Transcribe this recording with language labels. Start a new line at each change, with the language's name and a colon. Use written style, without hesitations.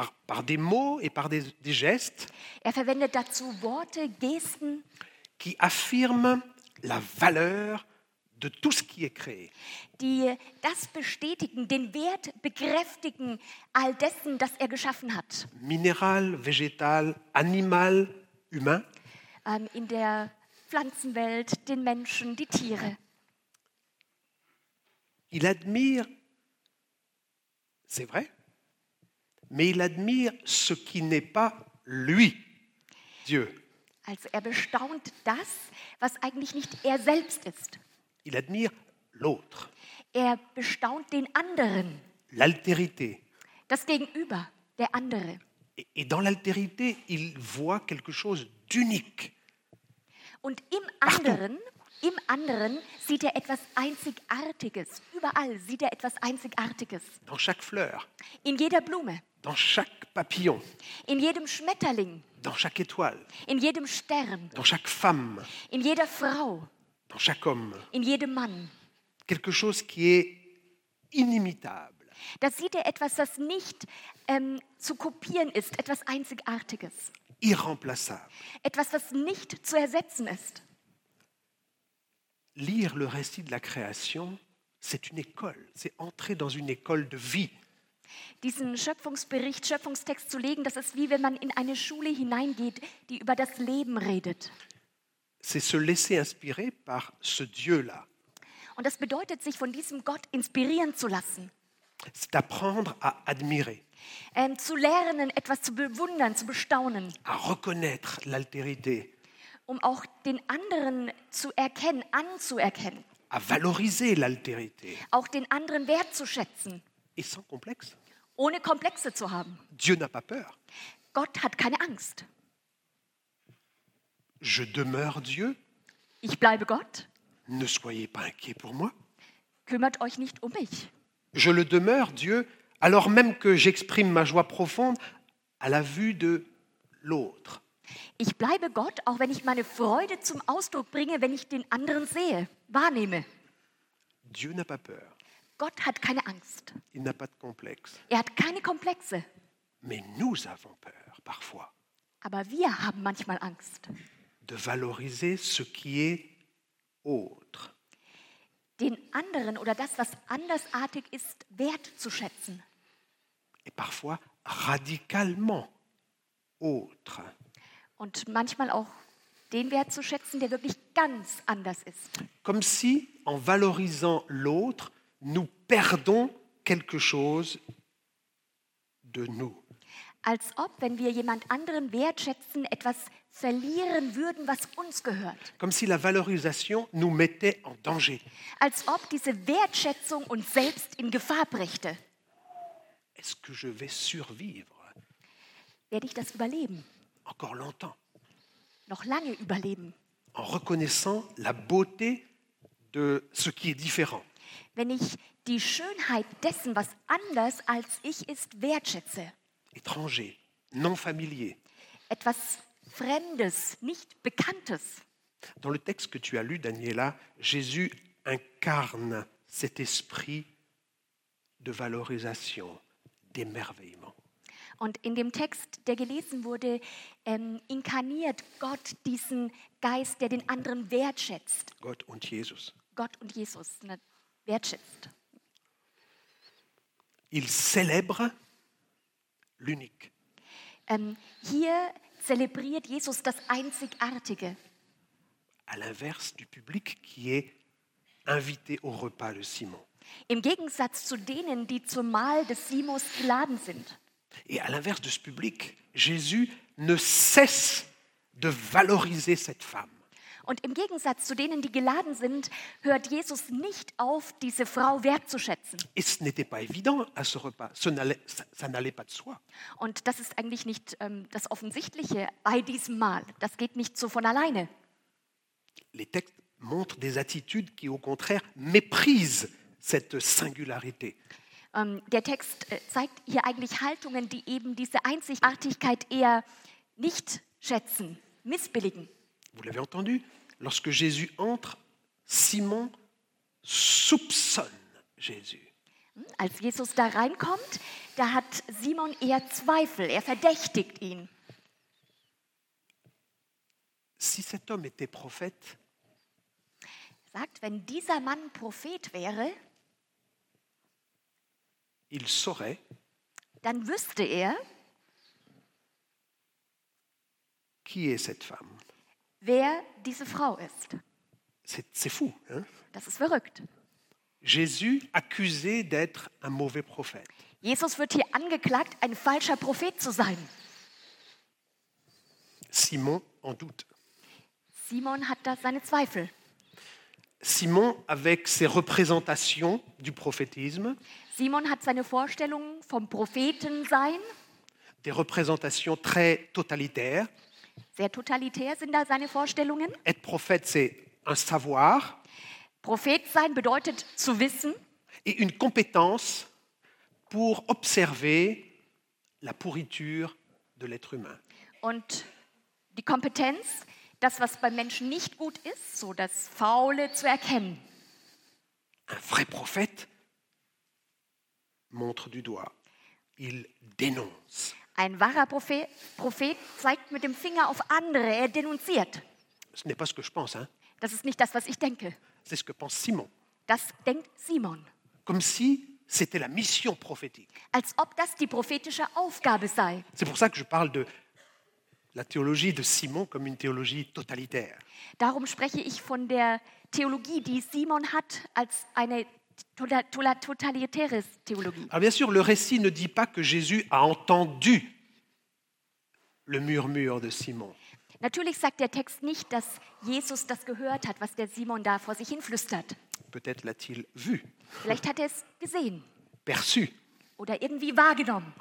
French: Par des mots et par des gestes.
German: Er verwendet dazu Worte, Gesten.
French: Qui affirme la valeur de tout ce qui est créé.
German: Die das bestätigen, den Wert bekräftigen all dessen, das er geschaffen hat.
French: Mineral, végétal, animal, humain.
German: In der Pflanzenwelt, den Menschen, die Tiere.
French: Il admire, c'est vrai, mais il admire ce qui n'est pas lui, Dieu.
German: Also er bestaunt das, was eigentlich nicht er selbst ist.
French: Il admire l'autre.
German: Er bestaunt den anderen.
French: L'altérité.
German: Das Gegenüber, der andere.
French: Et dans l'altérité, il voit quelque chose d'unique.
German: Und im anderen,
French: partout.
German: Im anderen sieht er etwas Einzigartiges. Überall sieht er etwas Einzigartiges.
French: Dans chaque fleur.
German: In jeder Blume.
French: Dans chaque papillon.
German: In jedem Schmetterling.
French: Dans chaque étoile.
German: In jedem Stern.
French: Dans chaque femme.
German: In jeder Frau.
French: Dans chaque homme.
German: In jedem Mann.
French: Quelque chose qui est inimitable.
German: Da sieht er etwas, das nicht zu kopieren ist, etwas Einzigartiges.
French: Irremplaçable.
German: Etwas, das nicht zu ersetzen ist.
French: Lire le récit de la création, c'est une école. C'est entrer dans une école de vie.
German: Diesen Schöpfungsbericht, Schöpfungstext zu legen, das ist wie wenn man in eine Schule hineingeht, die über das Leben redet.
French: C'est se laisser inspirer par ce Dieu-là.
German: Und das bedeutet, sich von diesem Gott inspirieren zu lassen.
French: C'est apprendre à admirer.
German: Zu lernen, etwas zu bewundern, zu bestaunen.
French: À reconnaître l'altérité.
German: Um auch den anderen zu erkennen, anzuerkennen.
French: À valoriser l'altérité.
German: Auch den anderen wertzuschätzen.
French: Et sans complexe.
German: Ohne Komplexe zu haben.
French: Dieu n'a pas peur.
German: Gott hat keine Angst.
French: Je demeure Dieu.
German: Ich bleibe Gott.
French: Ne soyez pas inquiet pour moi.
German: Kümmert euch nicht um mich.
French: Je le demeure Dieu, alors même que j'exprime ma joie profonde à la vue de l'autre.
German: Ich bleibe Gott, auch wenn ich meine Freude zum Ausdruck bringe, wenn ich den anderen sehe, wahrnehme.
French: Dieu n'a pas peur.
German: Gott hat keine Angst.
French: Il n'a pas de complexe.
German: Er hat keine Komplexe.
French: Mais nous avons peur parfois.
German: Aber wir haben manchmal Angst.
French: De valoriser ce qui est autre.
German: Den anderen oder das, was andersartig ist, wertzuschätzen.
French: Et parfois radicalement autre.
German: Und manchmal auch den wertzuschätzen, der wirklich ganz anders ist.
French: Comme si en valorisant l'autre, nous perdons quelque chose de nous.
German: Als ob, wenn wir jemand anderen wertschätzen, etwas verlieren würden, was uns gehört.
French: Comme si la valorisation nous mettait en danger.
German: Als ob diese Wertschätzung uns selbst in Gefahr brächte.
French: Est-ce que je vais survivre?
German: Werde ich das überleben?
French: Encore longtemps.
German: Noch lange überleben.
French: En reconnaissant la beauté de ce qui est différent.
German: Wenn ich die Schönheit dessen, was anders als ich ist, wertschätze.
French: Étranger, non familier.
German: Etwas Fremdes, nicht Bekanntes.
French: Dans le texte que tu as lu, Daniela, Jésus incarne cet esprit de valorisation, d'émerveillement.
German: Und in dem Text, der gelesen wurde, inkarniert Gott diesen Geist, der den anderen wertschätzt. Gott und Jesus. Gott und Jesus wertschätzt.
French: Il célèbre l'unique.
German: Hier zelebriert Jesus das Einzigartige.
French: À l'inverse du public qui est invité au repas de Simon.
German: Im Gegensatz zu denen, die zum Mahl des Simons geladen sind.
French: Et à l'inverse de ce public, Jésus ne cesse de valoriser cette femme.
German: Und im Gegensatz zu denen, die geladen sind, hört Jesus nicht auf, diese Frau wertzuschätzen.
French: Et ce n'était pas évident à ce repas. Ça n'allait pas de soi.
German: Und das ist eigentlich nicht das Offensichtliche bei diesem Mahl. Das geht nicht so von alleine.
French: Les textes montrent des attitudes qui, au contraire, méprisent cette singularité.
German: Der Text zeigt hier eigentlich Haltungen, die eben diese Einzigartigkeit eher nicht schätzen, missbilligen.
French: Vous l'avez entendu, lorsque Jésus entre, Simon soupçonne Jésus.
German: Als Jesus da reinkommt, da hat Simon eher Zweifel, er verdächtigt ihn.
French: Si cet homme était prophète,
German: sagt, wenn dieser Mann Prophet wäre,
French: il saurait,
German: dann wüsste er,
French: qui est cette femme.
German: Wer diese Frau ist.
French: C'est fou, hein?
German: Das ist verrückt.
French: Jésus accusé d'être un mauvais prophète.
German: Jesus wird hier angeklagt, ein falscher Prophet zu sein.
French: Simon en doute.
German: Simon hat da seine Zweifel.
French: Simon avec ses représentations du prophétisme.
German: Simon hat seine Vorstellungen vom Propheten sein.
French: Des représentations très totalitaires.
German: Sehr totalitär sind da seine Vorstellungen.
French: Être prophète, c'est un savoir.
German: Prophet sein bedeutet zu wissen.
French: Et une compétence pour observer la pourriture de l'être humain.
German: Und die Kompetenz, das, was beim Menschen nicht gut ist, so das Faule zu erkennen.
French: Un vrai prophète montre du doigt. Il dénonce.
German: Ein wahrer Prophet zeigt mit dem Finger auf andere, er denunziert.
French: Ce n'est pas ce que je pense, hein?
German: Das ist nicht das, was ich denke.
French: C'est ce que pense Simon.
German: Das denkt Simon.
French: Comme si c'était la mission prophétique.
German: Als ob das die prophetische Aufgabe sei.
French: C'est pour ça que je parle de la théologie de Simon comme une théologie totalitaire.
German: Darum spreche ich von der Theologie, die Simon hat, als eine totalitäre Theologie.
French: Alors bien sûr, le récit ne dit pas que Jésus a entendu le murmure de Simon.
German: Natürlich sagt der Text nicht, dass Jesus das gehört hat, was der Simon da vor sich hin flüstert.
French: Peut-être l'a-t-il vu.
German: Vielleicht hat er es gesehen.
French: Perçu.
German: Oder irgendwie wahrgenommen.